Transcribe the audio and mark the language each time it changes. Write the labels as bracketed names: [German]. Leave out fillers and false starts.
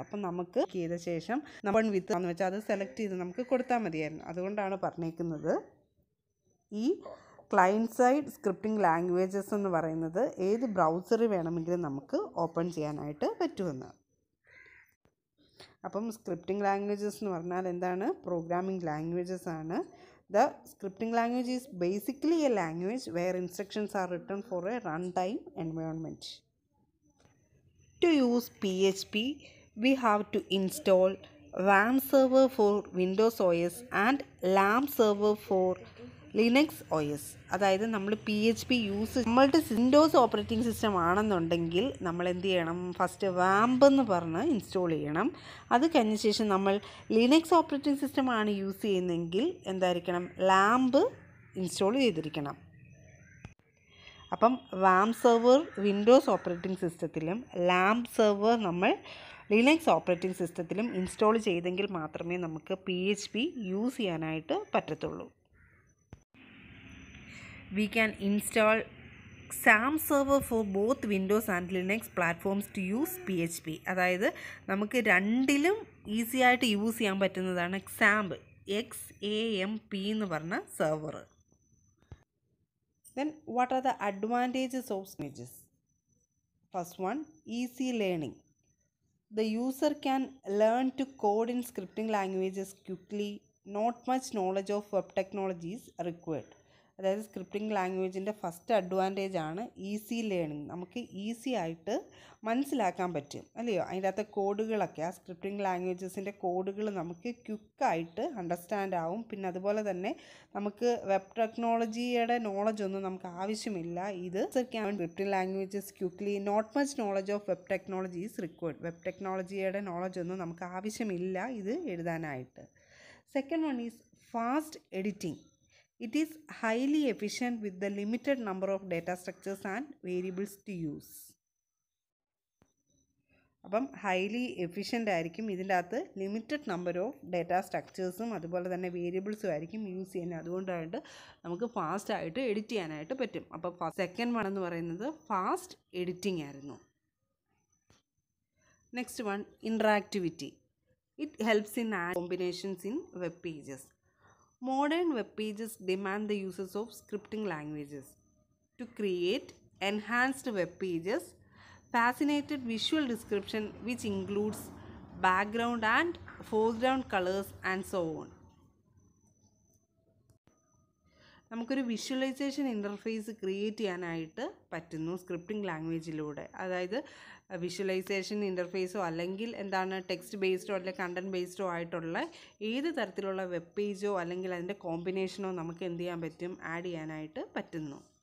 [Malayalam] അപ്പം നമുക്ക് ചെയ്ത ശേഷം നമ്മൾ വിത്ത് എന്ന് വെച്ചാൽ അത് സെലക്ട് ചെയ്ത് നമുക്ക് കൊടുത്താൽ മതിയായിരുന്നു. അതുകൊണ്ടാണ് പറഞ്ഞേക്കുന്നത് ഈ ക്ലയൻറ്റ് സൈഡ് സ്ക്രിപ്റ്റിംഗ് ലാംഗ്വേജസ് എന്ന് പറയുന്നത് ഏത് ബ്രൗസറ് വേണമെങ്കിലും നമുക്ക് ഓപ്പൺ ചെയ്യാനായിട്ട് പറ്റുമെന്ന്. അപ്പം സ്ക്രിപ്റ്റിംഗ് ലാംഗ്വേജസ് എന്ന് പറഞ്ഞാൽ എന്താണ്? പ്രോഗ്രാമിംഗ് ലാംഗ്വേജസ് ആണ്. [English] The scripting language is basically a language where instructions are written for a runtime environment. To use PHP, we have to install RAM server for Windows OS and LAMP server for Linux OS. [Malayalam] അതായത് നമ്മൾ P H P use നമ്മളുടെ Windows operating system ആണെന്നുണ്ടെങ്കിൽ നമ്മൾ എന്ത് ചെയ്യണം? First വാംപ് എന്ന് പറഞ്ഞ് install ചെയ്യണം. അത് കഴിഞ്ഞ ശേഷം നമ്മൾ ലിനക്സ് ഓപ്പറേറ്റിംഗ് സിസ്റ്റം ആണ് യൂസ് ചെയ്യുന്നതെങ്കിൽ എന്തായിരിക്കണം? ലാംപ് ഇൻസ്റ്റാൾ ചെയ്തിരിക്കണം. അപ്പം വാംപ് സെർവർ വിൻഡോസ് ഓപ്പറേറ്റിംഗ് സിസ്റ്റത്തിലും ലാംപ് സെർവർ നമ്മൾ ലിനക്സ് ഓപ്പറേറ്റിംഗ് സിസ്റ്റത്തിലും ഇൻസ്റ്റാൾ ചെയ്തെങ്കിൽ മാത്രമേ നമുക്ക് പി എച്ച് പി യൂസ് ചെയ്യാനായിട്ട് പറ്റത്തുള്ളൂ. [English] We can install SAM server for both Windows and Linux platforms to use PHP. [Malayalam] അതായത് നമുക്ക് രണ്ടിലും ഈസി ആയിട്ട് യൂസ് ചെയ്യാൻ പറ്റുന്നതാണ് XAMPP, XAMPP എന്ന് പറഞ്ഞ server. [English] Then what are the advantages of languages? First one, easy learning. The user can learn to code in scripting languages quickly. Not much knowledge of web technologies required. [Malayalam] അതായത് scripting ലാംഗ്വേജിൻ്റെ first advantage ആണ് easy learning. നമുക്ക് easy ആയിട്ട് മനസ്സിലാക്കാൻ പറ്റും അല്ലയോ അതിൻ്റെ അകത്തെ കോഡുകളൊക്കെ. ആ സ്ക്രിപ്റ്റിംഗ് ലാംഗ്വേജസിൻ്റെ കോഡുകൾ നമുക്ക് ക്വിക്കായിട്ട് അണ്ടർസ്റ്റാൻഡ് ആവും. പിന്നെ അതുപോലെ തന്നെ നമുക്ക് വെബ് ടെക്നോളജിയുടെ നോളജ് ഒന്നും നമുക്ക് ആവശ്യമില്ല. [English] ഇത് scripting languages quickly, not much knowledge of web technologies required. [Malayalam] Web ടെക്നോളജിയുടെ നോളജ് ഒന്നും നമുക്ക് ആവശ്യമില്ല ഇത് എഴുതാനായിട്ട്. [English] Second one is fast editing. It is highly efficient with the limited number of data structures and variables to use. [Malayalam] അപ്പം highly efficient ആയിരിക്കും. ഇതിൻ്റെ അകത്ത് ലിമിറ്റഡ് നമ്പർ ഓഫ് ഡേറ്റ സ്ട്രക്ചേഴ്സും അതുപോലെ തന്നെ വേരിയബിൾസും ആയിരിക്കും യൂസ് ചെയ്യുന്നത്. അതുകൊണ്ടായിട്ട് നമുക്ക് ഫാസ്റ്റായിട്ട് എഡിറ്റ് ചെയ്യാനായിട്ട് പറ്റും. അപ്പം സെക്കൻഡ് വൺ എന്ന് പറയുന്നത് ഫാസ്റ്റ് എഡിറ്റിംഗ് ആയിരുന്നു. [English] Next one, interactivity. It helps in add combinations in web pages. Modern web pages demand the uses of scripting languages. To create enhanced web pages, fascinated visual description which includes background and foreground colors and so on. [Malayalam] നമുക്കൊരു visualisation interface create ചെയ്യാനായിട്ട് പറ്റുന്നു scripting ലാംഗ്വേജിലൂടെ. അതായത് visualisation ഇൻ്റർഫേസോ അല്ലെങ്കിൽ എന്താണ് text ബേസ്ഡോ അല്ലെങ്കിൽ content ബേസ്ഡോ ആയിട്ടുള്ള ഏത് തരത്തിലുള്ള വെബ് പേജോ അല്ലെങ്കിൽ അതിൻ്റെ കോമ്പിനേഷനോ നമുക്ക് എന്ത് ചെയ്യാൻ പറ്റും, ആഡ് ചെയ്യാനായിട്ട് പറ്റുന്നു.